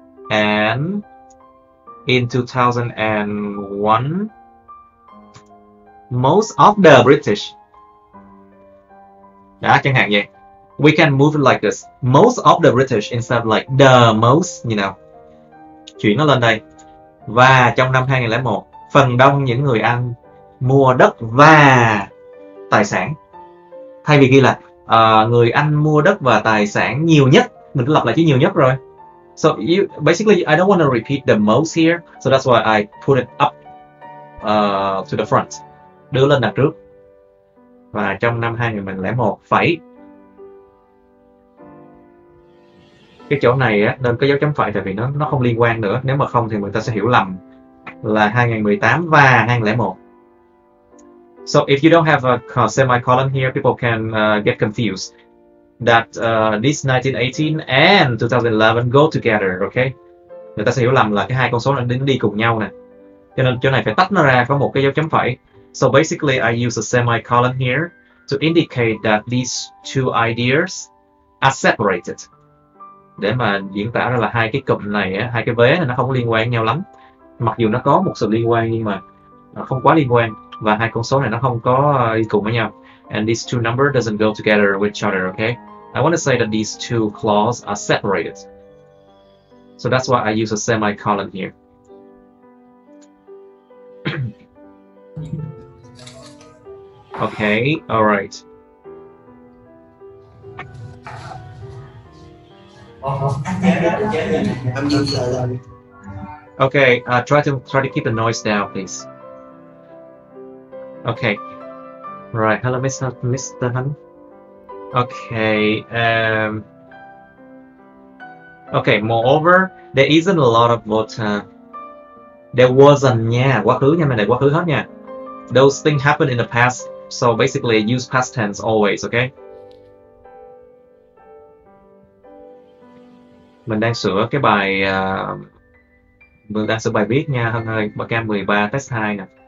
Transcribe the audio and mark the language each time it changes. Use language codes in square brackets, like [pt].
[en] And in 2001, most of the British. [vi] Đã, chẳng hạn vậy. [en] We can move it like this. Most of the British instead of like the most, you know. [vi] Chuyển nó lên đây. Và trong năm 2001, phần đông những người ăn mua đất và tài sản. Thay vì ghi là người ăn mua đất và tài sản nhiều nhất, mình cứ lặp lại chứ nhiều nhất rồi. [en] So you basically, I don't want to repeat the most here, so that's why I put it up to the front. [vi] Đưa lên đằng trước. Và trong năm 2001, phẩy. Cái chỗ này á, nên có dấu chấm phẩy, tại vì nó không liên quan nữa. Nếu mà không thì người ta sẽ hiểu lầm là 2018 và 2001. [en] So if you don't have a semicolon here, people can get confused that this 1918 and 2011 go together, okay? [vi] Người ta sẽ hiểu lầm là cái hai con số này nó đi cùng nhau nè. Cho nên chỗ này phải tách nó ra, có một cái dấu chấm phẩy. [en] So basically I use a semicolon here to indicate that these two ideas are separated. [vi] Để mà diễn tả ra là hai cái cụm này, hai cái vế này nó không có liên quan nhau lắm. Mặc dù nó có một sự liên quan nhưng mà nó không quá liên quan, và hai con số này nó không có đi cùng với nhau. [en] And these two numbers doesn't go together with each other, okay? I want to say that these two clauses are separated. So that's why I use a semicolon here. Ok, Ok, try to keep the noise down, please. Ok. Right, hello Mr. Hân. Okay, moreover, there isn't a lot of water. There wasn't, yeah, [vi] quá khứ nha, mình này quá khứ hết nha. [en] Those things happened in the past, so basically use past tense always, okay? [vi] Mình đang sửa cái bài, mình đang sửa bài viết nha, Hân ơi, bài cam 13, test 2 nè.